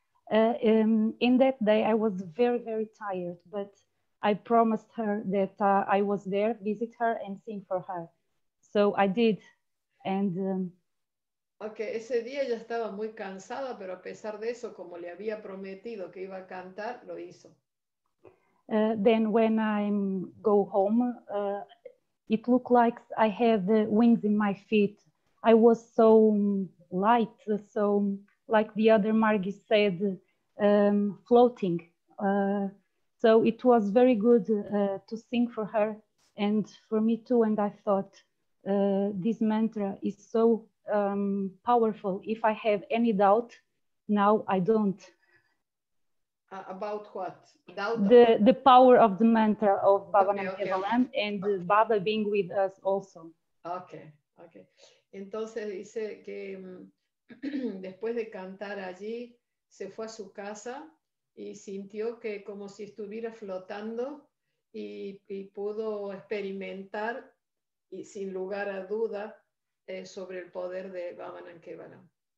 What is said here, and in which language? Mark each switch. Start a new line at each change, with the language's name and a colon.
English: In that day, I was very, very tired, but I promised her that I was there, visit her and sing for her. So I did. And
Spanish: okay, ese día ya estaba muy cansada, pero a pesar de eso, como le había prometido que iba a cantar, lo hizo.
English: Then when I go home, it looked like I had wings in my feet. I was so light, so like the other Margie said, floating. So it was very good to sing for her and for me too. And I thought this mantra is so powerful. If I have any doubt, now I don't. About what? The power of the mantra of Baba Nemkevalam and Baba being with us also. Okay, okay.
Spanish: Entonces dice que después de cantar allí, se fue a su casa y sintió que como si estuviera flotando y pudo experimentar y sin lugar a duda sobre el poder de Baba Nemkevalam.